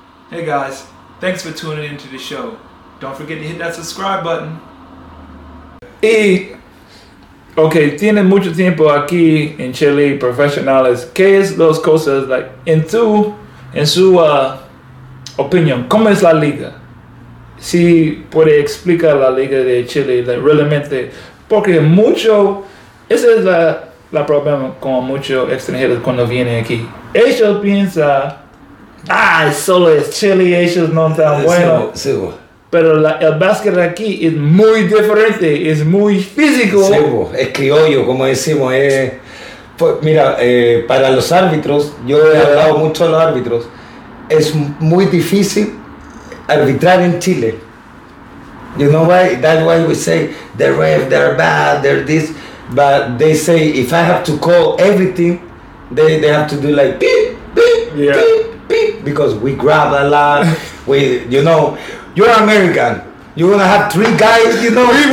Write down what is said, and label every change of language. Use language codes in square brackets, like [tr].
[en] Hey guys, thanks for tuning into the show. Don't forget to hit that subscribe button. [es] Y, okay, tienen mucho tiempo aquí en Chile, profesionales. ¿Qué es las cosas, like, en su opinión, cómo es la liga? Si puede explicar la liga de Chile, like, realmente, porque mucho, ese es la problema con muchos extranjeros cuando vienen aquí. Ellos piensan, solo es Chile, ellos no están buenos. Sí. Pero el básquet aquí es muy diferente, es muy físico. Sí, es criollo, como decimos. Pues mira, para los árbitros, yo he hablado mucho a los árbitros, es muy difícil arbitrar en Chile. [en] You know why? That's why we say the ref, they're bad, they're this. But they say if I have to call everything, they have to do like beep, beep, yeah. Beep, beep. Because we grab a lot. You're American. You're gonna have three guys, you know.